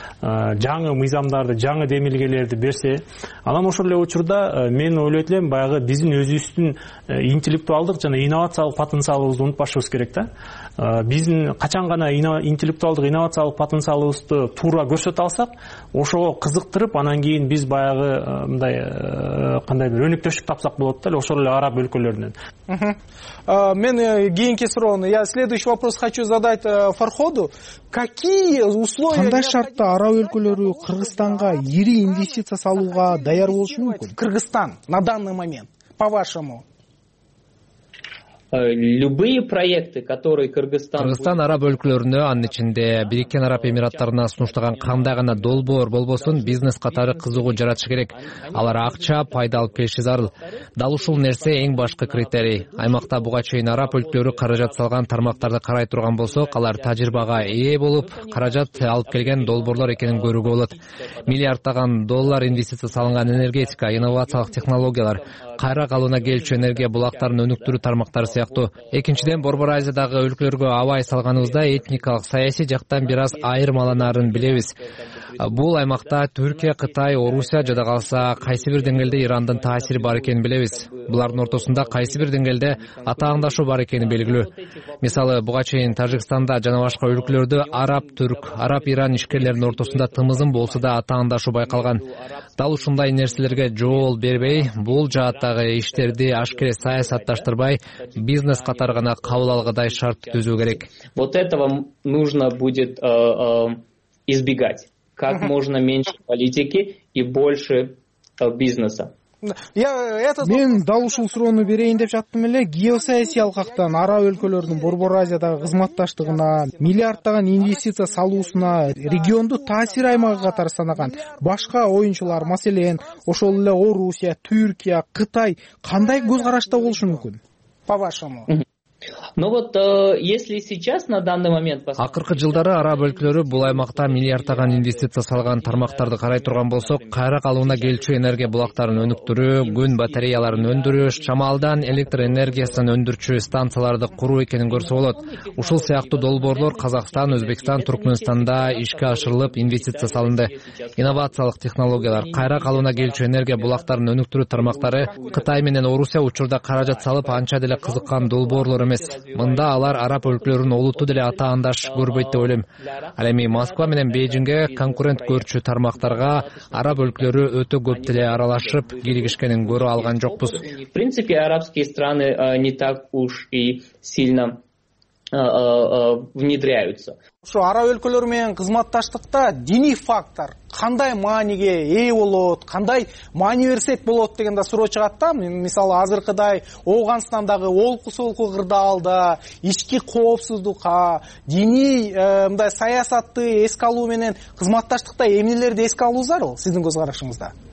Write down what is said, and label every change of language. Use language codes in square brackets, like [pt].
[ky] Жаңы мыйзамдарды, жаңы демилгелерди берсе, анан ошол эле учурда мен ойлойт элем, баягы биздин өзүбүздүн интеллектуалдык жана инновациялык потенциалыбызды унутпашыбыз керек да. Биздин качан гана интеллектуалдык инновациялык потенциалыбызды туура көрсөтө алсак, ошого кызыктырып, анан кийин биз баягы мындай кандай бир өнөктөшүк тапсак болот да эле ошол эле араб өлкөлөрүнөн. Мен кийинки суроону, [ru] я следующий вопрос хочу задать Фарходу. Какие условия? [ky] Кандай шартта араб өлкөлөрү Кыргызстанга ири инвестиция салууга даяр болушу мүмкүн? [ru] Кыргызстан на данный момент, по вашему. Любые проекты, которые Кыргызстан... [ky] Кыргызстан араб өлкөлөрүнө, анын ичинде Бириккен Араб Эмираттарына сунуштаган кандай гана долбоор болбосун, бизнес катары кызыгуу жаратышы керек. Алар акча пайда алып келиши зарыл. Дал ушул нерсе эң башкы критерий. Аймакта буга чейин араб өлкөлөрү каражат салган тармактарды карай турган болсок, алар тажрыйбага ээ болуп, каражат алып келген долбоорлор экенин көрүүгө болот. Миллиарддаган доллар инвестиция салынган энергетика, инновациялык технологиялар, кайра калыбына келүүчү энергия булактарын өнүктүрүү тармактары сыяктуу. Экинчиден, борбор Азиядагы өлкөлөргө абай салганыбызда этникалык, саясий жактан бир аз айырмаланарын билебиз. Бул аймакта Түркия, Кытай, Орусия жада калса, кайсы бир деңгээлде Ирандын таасири бар экенин билебиз. Булардын ортосунда кайсы бир деңгээлде атаандашуу бар экени белгилүү. Мисалы, буга чейин Тажикстанда жана башка өлкөлөрдө араб-түрк, араб-иран ишкерлеринин ортосунда тымызын болсо да атаандашуу байкалган. Дал ушундай нерселерге жол бербей, бул жааттагы иштерди ашкере саясатташтырбай, бизнес катары гана кабыл алгыдай шарт түзүү керек. [ru] Вот этого нужно будет избегать. Как можно меньше политики и больше бизнеса. [ky] Мен дал ушул суроону берейин деп жаттым эле. Геосаясий алкактан ара өлкөлөрдүн Борбор Азиядагы кызматташтыгына, миллиарддаган инвестиция салуусуна, региондо таасир аймагы катары санаган башка оюнчулар, маселен, ошол эле Орусия, Түркия, Кытай кандай көз карашта болушу мүмкүн? [ru] По-вашему. Но вот если сейчас на данный момент [ky] акыркы жылдары араб өлкөлөрү бул аймакта миллиарддаган инвестиция салган тармактарды карай турган болсок, кайра калыбына келчү энергия булактарын өнүктүрүү, күн батареяларын өндүрүш, шамалдан электр энергиясын өндүрчү станцияларды куруу экенин көрсө болот. Ушул сыяктуу долбоорлор Казакстан, Өзбекстан, Туркменстанда ишке ашырылып, инвестиция салынды. Инновациялык технологиялар, кайра калыбына келчү энергия булактарын өнүктүрүү тармактары Кытай менен Орусия учурда каражат салып, анча деле кызыккан долбоорлор эмес. Мында алар араб өлкөлөрүн олуту деле атаандаш көрбөйт деп ойлойм. Ал эми Москва менен Бээжинге конкурент көрчү тармактарга араб өлкөлөрү өтө көп деле аралашып киригишкенин көрө алган жокпуз. [ru] В принципе, арабские страны не так уж и сильно внедряются. [ky] Ошо араб өлкөлөрү менен кызматташтыкта диний фактор кандай мааниге ээ болот, кандай маани берсек болот деген да суроо чыгат да. Мисалы, азыркыдай Ооганстандагы олку-солку кырдаалда, ички коопсуздукка, диний мындай саясатты эске алуу менен кызматташтыкта эмнелерди эске алуубуз зарыл сиздин көз карашыңызда?